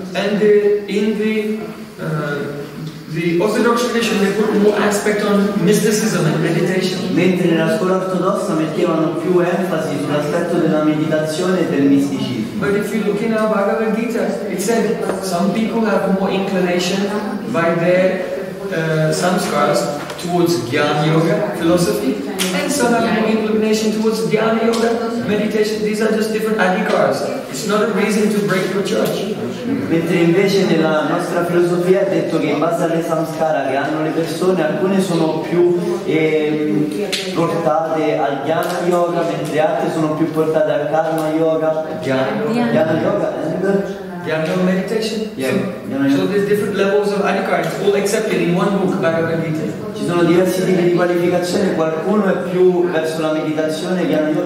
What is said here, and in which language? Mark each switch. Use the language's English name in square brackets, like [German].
[English] And the, in the the Orthodox tradition, they put more aspect on mysticism and meditation. [Italian] Mentre nella scuola ortodossa mettevano più enfasi sull'aspetto della meditazione e del misticismo. [English] But if you look in our Bhagavad Gita, it said some people have more inclination by their samskaras towards Jnana Yoga, philosophy, and some have more inclination towards Jnana Yoga, meditation. These are just different adhikaras. It's not a reason to break your church. [Italian] Mentre invece nella nostra filosofia è detto che in base alle samskara che hanno le persone, alcune sono più portate al Jnana Yoga, mentre altre sono più portate al Karma Yoga. [English] Jnana Yoga. Jnana meditation. Yeah. So there's different levels of adhikara. It's all accepted in one book, Bhagavad Gita. [Italian] Ci sono diversi tipi di qualificazione, qualcuno è più verso la meditazione, gli altri